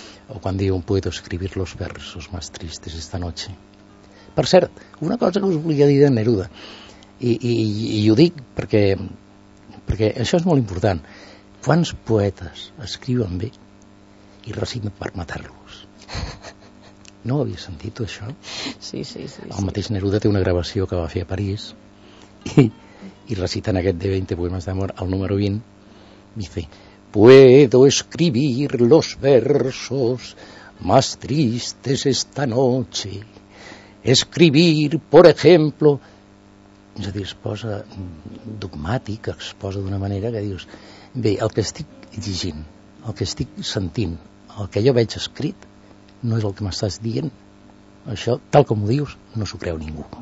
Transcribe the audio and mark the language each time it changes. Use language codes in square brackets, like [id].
[ca] O quan diu [es] «Puedo escribir los versos más tristes esta noche». [ca] Per cert, una cosa que us volia dir de Neruda, i ho dic perquè això és molt important. Quants poetes escriuen bé i reciben per matar-los? No ho havies sentit, tu, això? Sí, sí, sí. El mateix Neruda té una gravació que va fer a París i recita en aquest de 20 poemes d'amor el número 20, [es] dice... Puedo escribir los versos más tristes esta noche. Escribir, por ejemplo... [ca] És a dir, es posa dogmàtic, es posa d'una manera que dius... Bé, el que estic llegint, el que estic sentint, el que jo veig escrit, no és el que m'estàs dient. Això, tal com ho dius, no s'ho creu ningú.